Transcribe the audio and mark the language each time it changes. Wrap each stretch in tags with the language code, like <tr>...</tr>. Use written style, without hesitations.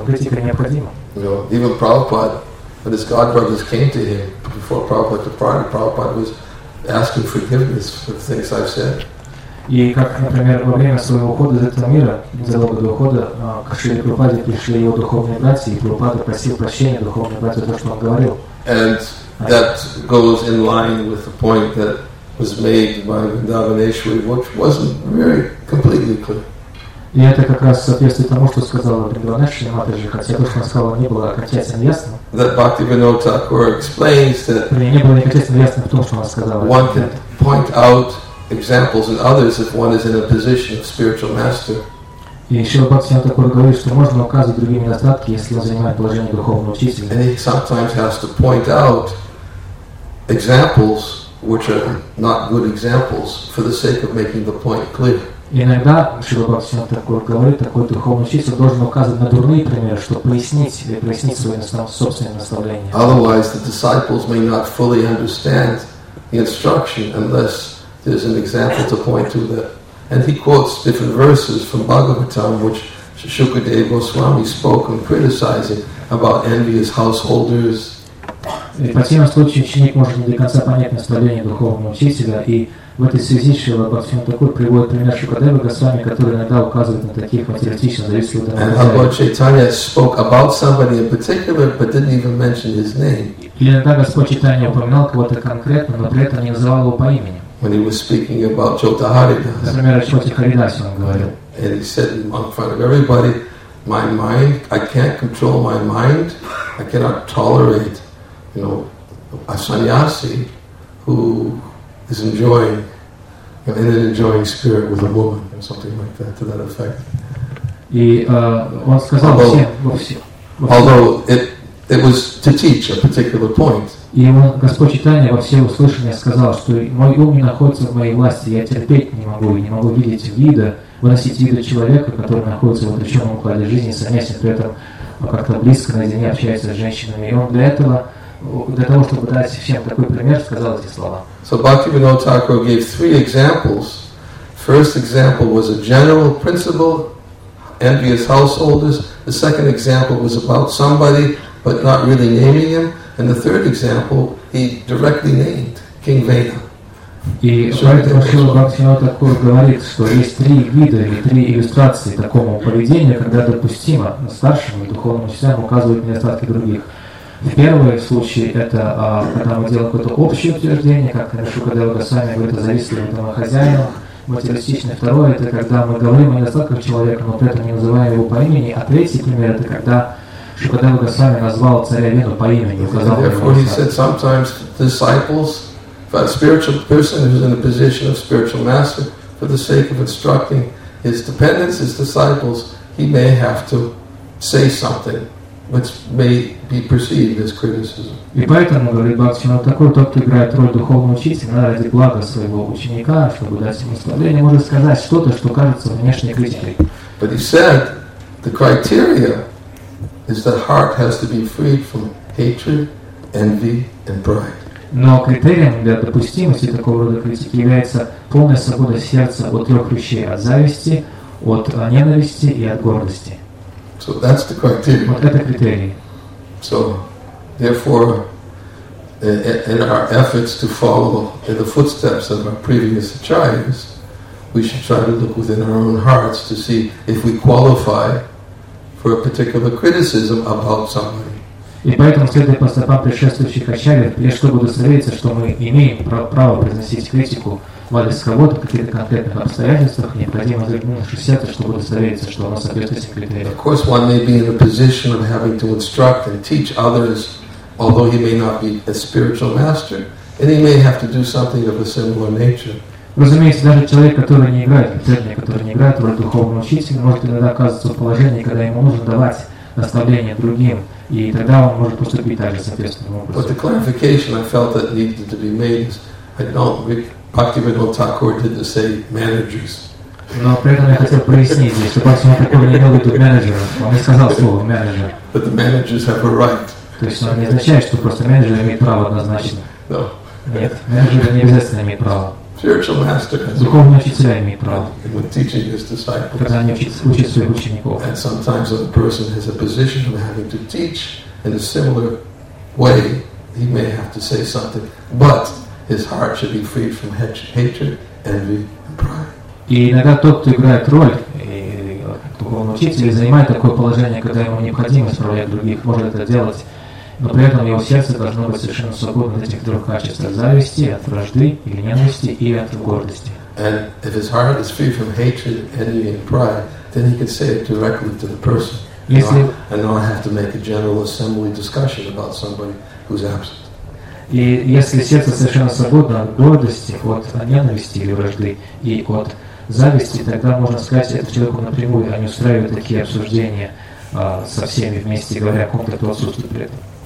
<en>But his godbrothers came to him before Prabhupada departed. Prabhupada was asking forgiveness for the things I've said.</en> <ru>И как, например, во время своего ухода из этого мира, незадолго ухода, к Шри Прабхупаде пришли его духовные братья, и Прабхупада просил прощения духовных братьев за то, что он говорил.</ru> <en>And that goes in line with the point that was made by Vrindavaneshwari, which wasn't very completely clear.</en> <ru>И это как раз соответствует тому, что сказал Вриндаванешвари Матаджи, хотя то, что он сказал, не было окончательно ясно.</ru> <en>That Bhaktivinoda Thakur explains that</en> <ru>не было окончательно ясно в том, что он сказал.</ru> <en>One can point out examples in others if one is in a position of spiritual master.</en> <ru>И Шрила Бхактивинода Тхакура говорит, что можно указывать другие недостатки, если он занимает положение духовного учителя.</ru> <en>And he sometimes has to point out examples which are not good examples for the sake of making the point clear. Иногда, Шрила Бхактивинода Тхакур говорит, такой духовный учитель должен указывать на дурные примеры, чтобы пояснить или прояснить свое собственное наставление. Otherwise, the disciples may not fully understand the instruction unless there's an example to point to that. And he quotes different verses from Bhagavatam, which Shukadeva Goswami spoke and criticizing about envious householders.</en> <ru>И по тем случаям ученик может не до конца понять наставление духовного учителя, и в этой связи Шрила Бхактисиддханта Тхакур приводит пример Шукадева Госвами, который иногда указывает на таких материалистично зависимых домохозяев. Иногда Господь Чайтанья упоминал кого-то конкретно, но при этом не называл его по имени.</ru> <en>When he was speaking about Jota Haridas.</en> <ru>Например, о Чоте Харидасе он говорил.</ru> <en>And he said in front of everybody, my mind, I can't control my mind, I cannot tolerate, you know, a sannyasi who is enjoying, you know, in an enjoying spirit with a woman or something like that, to that effect.</en> <ru>И он сказал</ru> <en>Although it was to teach a particular point.</en> <ru>И Господь Чайтанья во все услышания сказал, что мой ум не находится в моей власти, я терпеть не могу, я не могу видеть вида, выносить вида человека, который находится в отвлеченном укладе жизни, сонясь, при этом как-то близко, наедине общается с женщинами. И он для того, чтобы дать всем такой пример, сказал эти слова.</ru> <en>So Bhaktivinoda Thakur gave three examples. First example was a general principle, envious householders. The second example was about somebody, but not really naming him. And the third example, he directly named King Vena.</en> <ru>И поэтому Шрила Бхактивинода Тхакур говорит, что есть три вида или три иллюстрации такому поведению, когда допустимо старшим и духовным учителям указывать недостатки других. В первом случае это когда мы делаем какое-то общее утверждение, как Шукадева Госвами говорит, это зависит от домохозяина, материалистичное. Второе это когда мы говорим о недостатках человека, но при этом не называем его по имени. А третий пример это когда Шукадева Госвами назвал царя Вену по имени, указал ему.</ru> <en>But a spiritual person who is in the position of spiritual master, for the sake of instructing his dependents, his disciples, he may have to say something which may be perceived as criticism.</en> <ru>И поэтому, говорит Бхактивинода Тхакур, тот, кто играет роль духовного учителя, ради блага своего ученика, чтобы дать ему наставление, может сказать что-то, что кажется внешней критикой.</ru> <en>But he said, the criteria is that heart has to be freed from hatred, envy, and pride.</en> <ru>Но критерием для допустимости такого рода критики является полная свобода сердца от трех вещей – от зависти, от ненависти и от гордости.</ru> <en>So that's the criteria.</en> <ru>Вот это критерий.</ru> <en>So, therefore, in our efforts to follow in the footsteps of our previous acharyas, we should try to look within our own hearts to see if we qualify for a particular criticism about somebody.</en> <ru>И поэтому, следуя по стопам предшествующих ачарьев, прежде чтобы удостовериться, что мы имеем право произносить критику в адрес кого-то в каких-то конкретных обстоятельствах, необходимо заглянуть наше сердце, чтобы удостовериться, что оно соответствует этим критериям.</ru> <en>Of course, one may be in a position of having to instruct and teach others, although he may not be a spiritual master, and he may have to do something of a similar nature.</en> <ru>Разумеется, даже человек, который не играет, преподаватель, который не играет в роль духовного учителя, может иногда оказываться в положении, когда ему нужно давать наставление другим, и тогда он может поступить также соответственным образом.</ru> <en>But the clarification I felt that needed to be made is I don't think Bhaktivinoda Thakur didn't say managers.</en> <ru>Но при этом я хотел прояснить, что Бхактивинода Тхакур не имел в виду менеджера. Он не сказал слово менеджер.</ru> <en>But the managers have a right.</en> <ru>То есть он не означает, что просто менеджер имеет право однозначно.</ru> <en>No.</en> <ru>Нет, менеджер не обязательно имеет право.</ru> <en>Spiritual master has</en> <ru>духовный учителя имеет право.</ru> <en>When teaching his disciples.</en> <ru>Когда они учат своих учеников.</ru> <en>And sometimes a person has a position of having to teach in a similar way, he may have to say something, but his heart should be free from hatred, envy, and pride.</en> <ru>И иногда тот, кто играет роль духовного учителя, занимает такое положение, когда ему необходимо исправлять других, может это делать, но при этом его сердце должно быть совершенно свободно от этих трех качеств: от зависти, от вражды или ненависти и от гордости.</ru> <en>And if his heart is free from hatred, envy, and pride, then he can say it directly to the person.</en> <ru>Если</ru> <en>I know I have to make a general assembly discussion about somebody who's absent.</en> <ru>И если сердце совершенно свободно от гордости, от ненависти или вражды и от зависти, тогда можно сказать это человеку напрямую, а не устраивать такие обсуждения со всеми вместе, говоря о ком-то, кто отсутствует при этом.</ru>